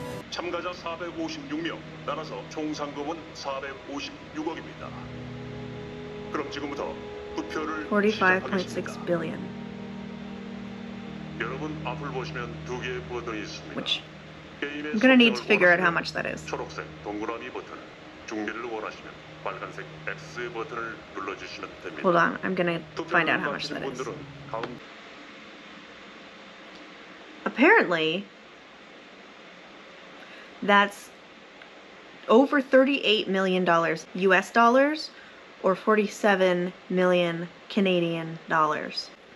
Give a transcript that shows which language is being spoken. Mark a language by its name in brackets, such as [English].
[Korean] 참가자 456명, 따라서 총 상금은 456억입니다. 그럼 지금부터 투표를 45.6 billion. 여러분 앞을 보시면 두 개의 버튼이 있습니다. [English] Which I'm gonna need to figure out how much that is. [Korean] 초록색 동그라미 버튼, 중계를 원하시면 빨간색 X 버튼을 눌러주시면 됩니다. [English] Hold on, I'm gonna find out how much that is. Apparently, that's over $38 million US dollars or $47 million Canadian dollars.